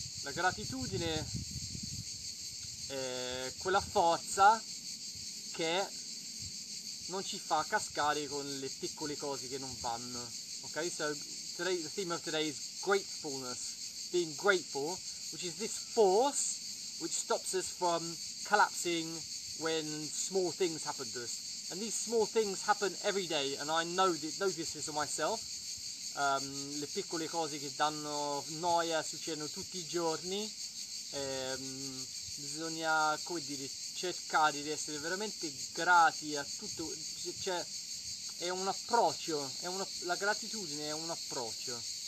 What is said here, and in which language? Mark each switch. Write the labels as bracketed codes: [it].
[it] La gratitudine è quella forza che non ci fa cascare con le piccole cose che non vanno. [en] Ok, so today, the theme of today is gratefulness, being grateful, which is this force which stops us from collapsing when small things happen to us. And these small things happen every day, and I know that, know this for myself. [it] Le piccole cose che danno noia succedono tutti i giorni. Bisogna, come dire, cercare di essere veramente grati a tutto. Cioè, è un approccio, la gratitudine è un approccio.